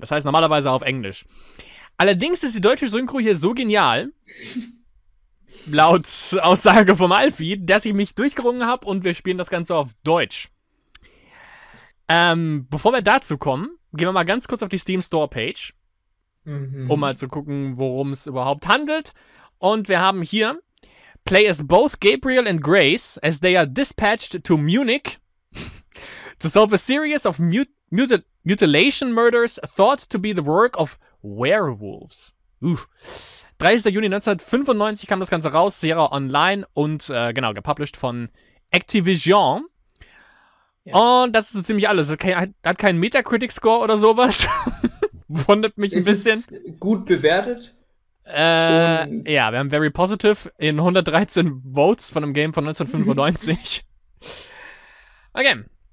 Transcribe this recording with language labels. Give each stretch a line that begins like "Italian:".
German: Das heißt normalerweise auf Englisch. Allerdings ist die deutsche Synchro hier so genial, laut Aussage vom Alfie, dass ich mich durchgerungen habe und wir spielen das Ganze auf Deutsch. Bevor wir dazu kommen, gehen wir mal ganz kurz auf die Steam Store Page, um mal zu gucken, worum es überhaupt handelt. Und wir haben hier:
English: Play as both Gabriel and Grace as they are dispatched to Munich to solve a series of mutilation murders thought to be the work of werewolves.
German: 30. Juni 1995 kam das Ganze raus, Sierra Online und gepublished von Activision. Ja. Und das ist so ziemlich alles. Hat keinen Metacritic-Score oder sowas. Wundert mich ein bisschen. Ist gut bewertet. Wir haben Very Positive in 113 Votes von einem Game von 1995. Okay.